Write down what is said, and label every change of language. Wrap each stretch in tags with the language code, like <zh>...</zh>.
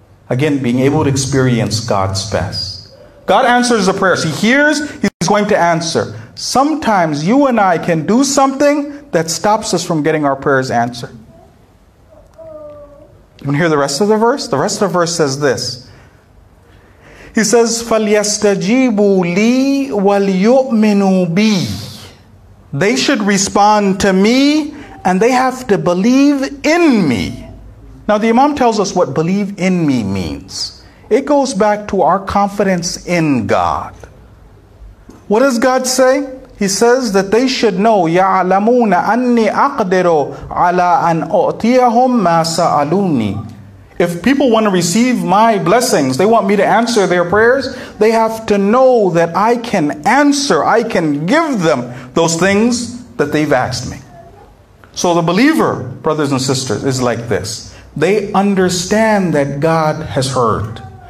<en>Again, being able to experience God's best. God answers the prayers. He hears, He's going to answer. Sometimes you and I can do something that stops us from getting our prayers answered. You want to hear the rest of the verse? The rest of the verse says this. He says,</en> <ar>فَلْيَسْتَجِيبُوا لِي وَلْيُؤْمِنُوا بِي.</ar> <en>They should respond to me, and they have to believe in me. Now the Imam tells us what believe in me means. It goes back to our confidence in God. What does God say? He says that they should know,</en> <ar>يَعْلَمُونَ أَنِّي أَقْدِرُ عَلَىٰ أَنْ أُعْطِيَهُمْ مَا سَأَلُونِي.</ar> <en>If people want to receive my blessings, they want me to answer their prayers, they have to know that I can answer, I can give them those things that they've asked me. So the believer, brothers and sisters, is like this. They understand that God has heard.</en>